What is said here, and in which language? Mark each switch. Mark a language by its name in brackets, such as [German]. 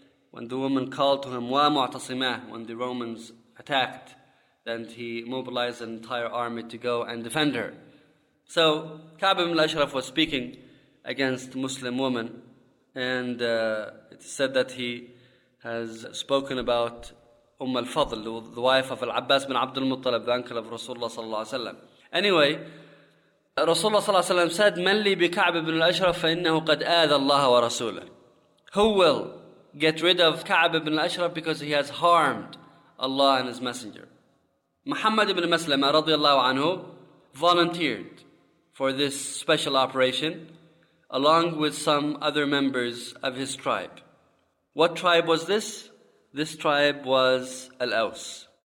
[English] When the woman called to him, وَمُعْتَصِمَةٌ, when the Romans attacked, then he mobilized an entire army to go and defend her. So Ka'b ibn al-Ashraf was speaking against Muslim women, and it's said that he has spoken about Umm al-Fadl, the wife of al-Abbas bin Abdul Muttalib, the uncle of Rasulullah sallallahu alayhi wa sallam. Anyway, Rasulullah sallallahu alayhi wa sallam said, [Arabic] مَنْ لِي بِكَعْبِ بِنُ الْأَشْرَفَ فَإِنَّهُ قَدْ آذَى اللَّهَ وَرَسُولَهُ. [English] Who will get rid of Ka'b ibn al-Ashraf because he has harmed Allah and his messenger? Muhammad ibn Maslama radiyallahu anhu volunteered for this special operation along with some other members of his tribe. What tribe was this? This tribe was Al-Aws.